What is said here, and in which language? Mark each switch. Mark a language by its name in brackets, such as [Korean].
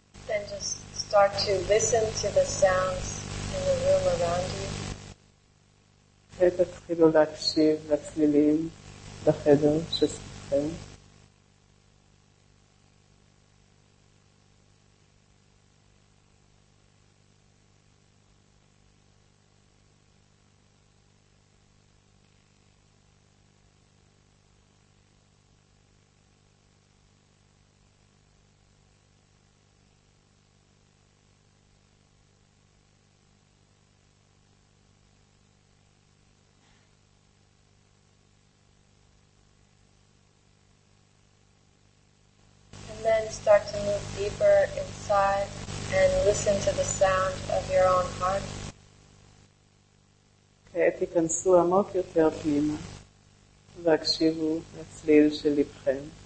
[English] And just start to listen to the sounds in the room around you. [Hebrew] תתחילו להקשיב לצלילים בחדר שסביבכם. [English] Then start to move deeper inside and listen to the sound of your own heart. [Hebrew] כעת תיכנסו עמוק יותר פנימה והקשיבו לצליל של לבכם.